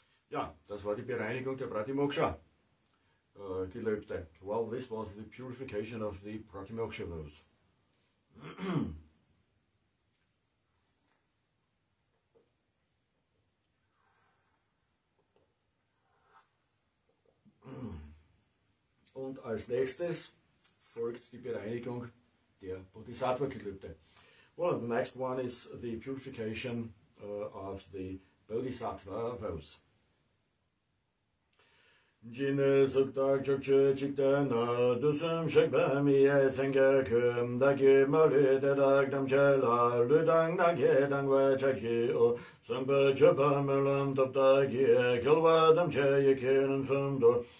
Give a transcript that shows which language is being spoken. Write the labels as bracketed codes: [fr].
[de] Ja, das war die Bereinigung der Pratimoksha, Gelübde. [en] Well, this was the purification of the Pratimoksha vows. [de] Und als nächstes folgt die Bereinigung der Bodhisattva-Gelübde. [en] Well, the next one is the purification of the Bodhisattva vows. Jine suktak çokçu çikten a düsüm şekbem iye sengekim daki mali dedak damçelar lüdang nage dang ve çekşi o sümpü çöpem ölüm toptak iye kılva damçe yekinin sümdü